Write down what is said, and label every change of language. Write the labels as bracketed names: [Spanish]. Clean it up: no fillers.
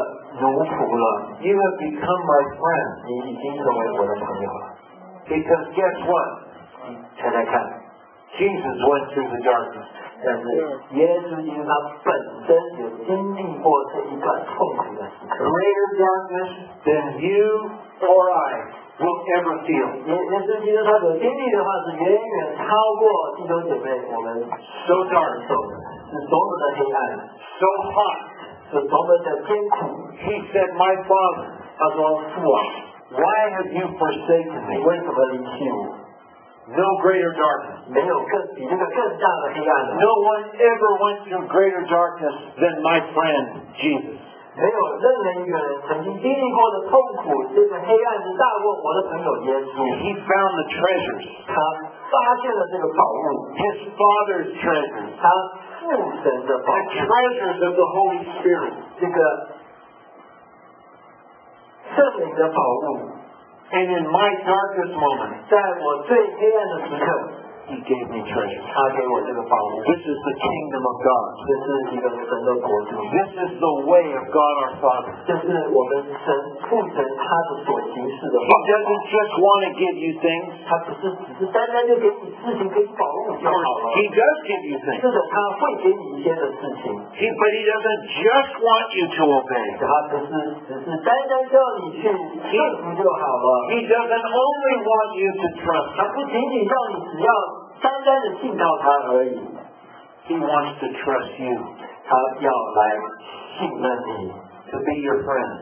[Chinese] 然后他会说你不再是一个奴仆了。 [English] You have become my friend. [Chinese] 你已经成为我的朋友了。 [English] Because guess what? [Chinese] 猜猜看, [English] Jesus went through the darkness. [Chinese] 但是耶稣因为他本身有经历过这一段痛苦的时刻。 [English] Greater darkness than you or I will ever feel. [Chinese] 耶稣基督他所经历的话是远远超过弟兄姐妹我们所 [English] dark. [Chinese] 是多么的黑暗。 [English] So hot, [Chinese] 是多么的艰苦, [English] he said, my father, [Chinese] 他说父啊, [English] why have you forsaken me? [Chinese] 为什么离弃我? [English] No greater darkness. [Chinese] 没有更大的黑暗了。 [English] No one ever went through greater darkness than my friend, Jesus. [Chinese] 没有任何一个人曾经经历过的痛苦，这个黑暗是大过我的朋友耶稣。 [English] He found the treasures. [Chinese] 他发现了这个宝物。 [English] His father's treasures. [Chinese] 他父神的宝物。 [English] The treasures of the Holy Spirit. [Chinese] 这个圣灵的宝物。 [English] And in my darkest moment, [Chinese] 在我最黑暗的时刻。 [English] He gave me treasure. [Chinese] 他给我这个宝物。 [English] This is the kingdom of God. [Chinese] 这是一个神的国度。 [English] This is the way of God our Father. [Chinese] 这是我们神父神他的所行事的。 [English] He doesn't just want to give you things. [Chinese] 他不是只是单单就给你事情，给你宝物就好了。 [English] He does give you things. [Chinese] 是的，他会给你一些的事情。 [English] But he doesn't just want you to obey. [Chinese] 他不是只是单单叫你去顺服就好了。 [English] He doesn't only want you to trust. [Chinese] 他不仅仅叫你只要单单的信靠他而已。 [English] He wants to trust you. [Chinese] 他要来信任你。 [English] To be your friend.